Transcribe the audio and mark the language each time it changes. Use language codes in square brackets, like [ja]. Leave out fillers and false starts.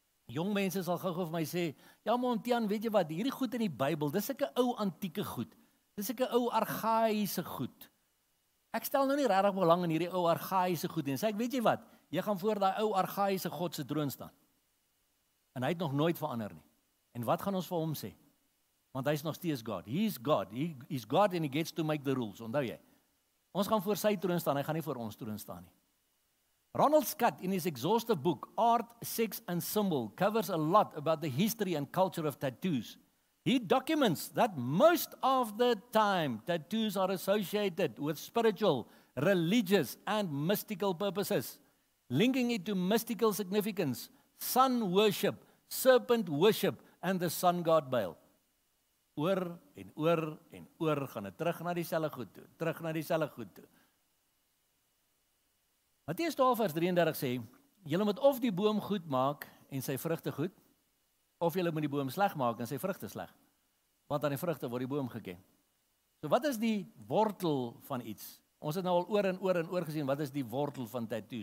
[af] Jong mense sal gou-gou vir my sê, ja, maar Montian, weet jy wat, hierdie goed in die Bybel, dis ek 'n ou antieke goed. Dis ek 'n ou argaïse goed. Ek stel nou nie regtig belang in hierdie ou argaïse goed nie. Sê ek, weet jy wat, jy gaan voor daai ou argaïse God se troon staan. En hy het nog nooit verander nie. En wat gaan ons vir hom sê? Want hy is nog steeds God. [en] He is God. He is God and he gets to make the rules. [af] Onthou jy? Ons gaan voor sy troon staan, hy gaan nie voor ons troon staan nie. [en] Ronald Scott, in his exhaustive book, Art, Sex and Symbol, covers a lot about the history and culture of tattoos. He documents that most of the time tattoos are associated with spiritual, religious, and mystical purposes, linking it to mystical significance, sun worship, serpent worship, and the sun god Baal. [af] Oor en oor en oor gaan het terug naar dieselfde goed toe, terug naar dieselfde goed toe. Matteus 12 vers 33 sê, julle moet of die boom goed maak en sy vrugte goed, of julle moet die boom sleg maak en sy vrugte sleg, want aan die vrugte word die boom geken. So wat is die wortel van iets? Ons het nou al oor en oor en oor gesien, wat is die wortel van tattoo?